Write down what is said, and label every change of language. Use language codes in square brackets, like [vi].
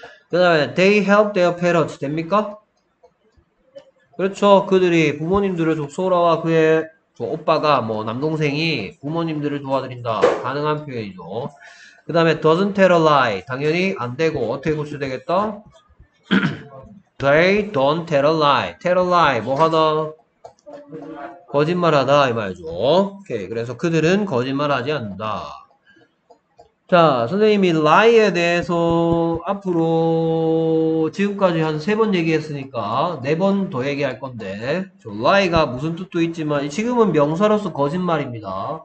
[ko] 그 다음에 [en] they help their parents [ko] 됩니까? 그렇죠. 그들이 부모님들을 소라와 그의 오빠가 뭐 남동생이 부모님들을 도와드린다. 가능한 표현이죠. 그 다음에 [en] doesn't tell a lie. [ko] 당연히 안 되고 어떻게 고쳐야 되겠다? [en] They don't tell a lie. Tell a lie. [ko] 뭐 하다? 거짓말하다 이 말이죠. 오케이. 그래서 그들은 거짓말하지 않는다. 자, 선생님이 lie에 대해서 앞으로 지금까지 한세번 얘기했으니까 네번더 얘기할 건데, 저 lie가 무슨 뜻도 있지만 지금은 명사로서 거짓말입니다.